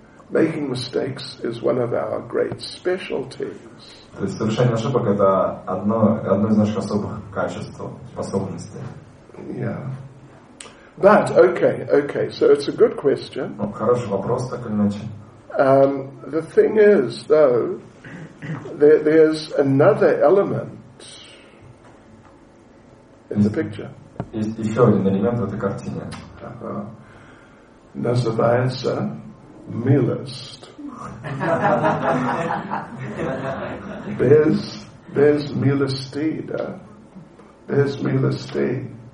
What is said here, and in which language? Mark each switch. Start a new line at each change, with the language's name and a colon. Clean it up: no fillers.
English: Making mistakes is one of our great specialties.
Russian: То есть совершение ошибок это одно из наших особых качеств, способностей.
English: Yeah. But okay. So it's a good question.
Russian: Ну, хороший вопрос, так или иначе.
English: The thing is, though, there's another element in the picture.
Russian: Есть еще один элемент в этой картине. Называется милость.
English: There's
Russian: милости, да?
English: There's
Russian: милости.